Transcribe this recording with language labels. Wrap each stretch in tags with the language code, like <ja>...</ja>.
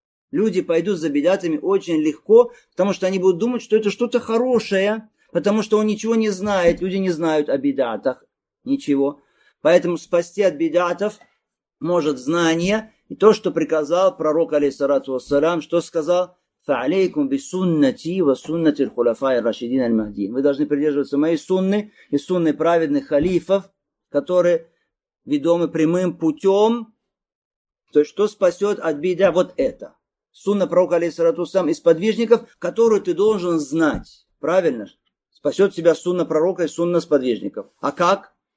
<ru>Люди пойдут за бидатами очень легко, потому что они будут думать, что это что-то хорошее, потому что он ничего не знает, люди не знают о бидатах, ничего. Поэтому спасти от бидатов может знание, и то, что приказал пророк, алейхиссалату вассалям, что сказал?</ru> <ar>فعليكم بسنتي وسنة الخلفاء الراشدين المهديين.</ar> <ru>Вы должны придерживаться моей сунны и сунны праведных халифов, которые ведомы прямым путем. То есть, что спасет от беда? Вот это. Сунна пророка, алейхиссалату вассалям, из сподвижников, которую ты должен знать. Правильно? Спасет тебя сунна пророка и сунна сподвижников. А как?</ru>